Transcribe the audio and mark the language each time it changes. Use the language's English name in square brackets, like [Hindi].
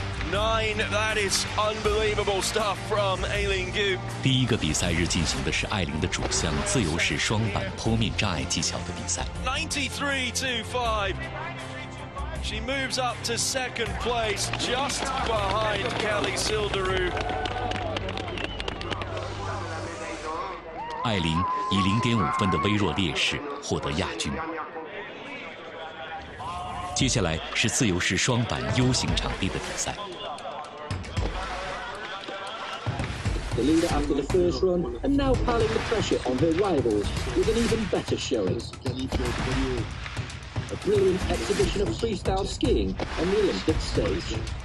[English] Nine, that is unbelievable stuff from Aileen Gu. [Chinese] 第一个比赛日进行的是艾琳的主项自由式双板坡面障碍技巧的比赛。 [English] 93-25, she moves up to second place, just behind Kelly Sildaru. [Chinese] 艾琳以0.5分的微弱劣势获得亚军。接下来是自由式双板 U 型场地的比赛。 [English] The leader after the first run, and now piling the pressure on her rivals with an even better showing. A brilliant exhibition of freestyle skiing on the Olympic stage.